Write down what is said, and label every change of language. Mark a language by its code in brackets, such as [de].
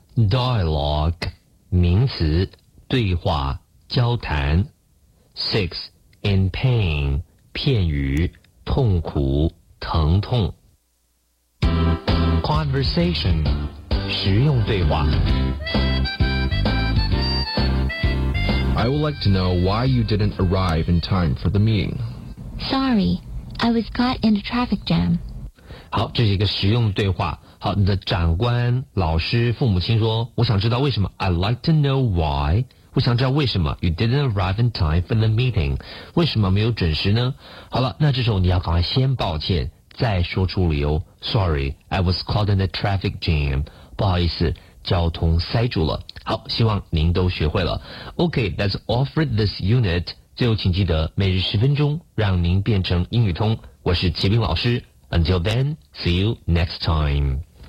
[zh] Dialogue, 名词对话交谈 6. In pain, 片语痛苦疼痛Conversation 实用对话 [en] I would like to know why you didn't arrive in time for the meeting. Sorry, I was caught in a traffic jam. [zh] 好，这是一个实用对话。好，你的长官、老师、父母亲说，我想知道为什么。 [en] I'd like to know why. [zh] 我想知道为什么 [en] you didn't arrive in time for the meeting. [zh] 为什么没有准时呢？好了，那这时候你要赶快先抱歉。再说出理由 [en] Sorry, I was caught in a traffic jam [zh] 不好意思交通塞住了好希望您都学会了 [en] OK, that's all for this unit [zh] 最后请记得每日十分钟让您变成英语通我是齐兵老师 [en] Until then, see you next time